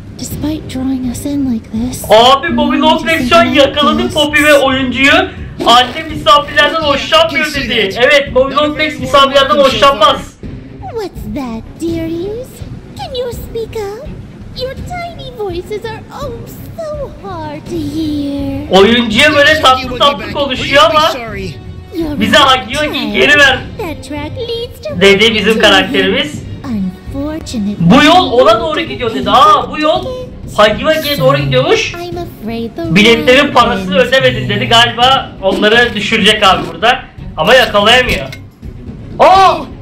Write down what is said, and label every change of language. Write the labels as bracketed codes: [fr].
[en] Despite drawing us in like this. [tr] Abi Bobby Longlegs yakaladı Poppy ve oyuncuyu. Anne misafirlerden hoşlanmıyor dedi. Evet, Bobby Longlegs misafirlerden hoşlanmaz. [en] What's that, dearies? Can you speak up? Your tiny voices are oh so hard to hear. [tr] Oyuncuya böyle tatlı tatlı konuşuyor ama bize Huggy Wuggy geri ver dedi bizim karakterimiz. Bu yol ona doğru gidiyor dedi. Aa, bu yol Huggy Wuggy'ye doğru gidiyormuş. Biletlerin parasını ödemedin dedi. Galiba onları düşürecek abi burada. Ama yakalayamıyor. Aa!